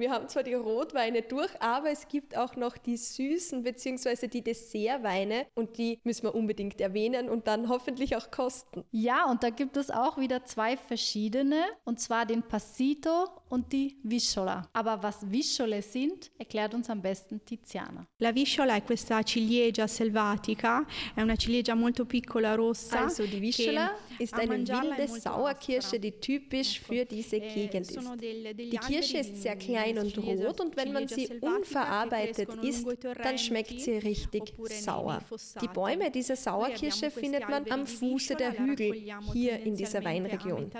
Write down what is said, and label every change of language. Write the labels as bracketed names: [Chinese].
[German] Wir haben zwar die Rotweine durch, aber es gibt auch noch die süßen bzw. die Dessertweine und die müssen wir unbedingt erwähnen und dann hoffentlich auch kosten. Ja, und da gibt es auch wieder 2 verschiedene, und zwar den Passito und die Viscola. Aber was Viscole sind, erklärt uns am besten Tiziana. [Italian] La Viscola è questa ciliegia selvatica, è una ciliegia molto piccola rossa. [German] Also die Viscola ist eine wilde Sauerkirsche, die typisch für diese Gegend ist. Die Kirsche ist sehr klein und rot, und wenn man sie unverarbeitet isst, dann schmeckt sie richtig sauer. Die Bäume dieser Sauerkirsche findet man am Fuße der Hügel hier in dieser Weinregion.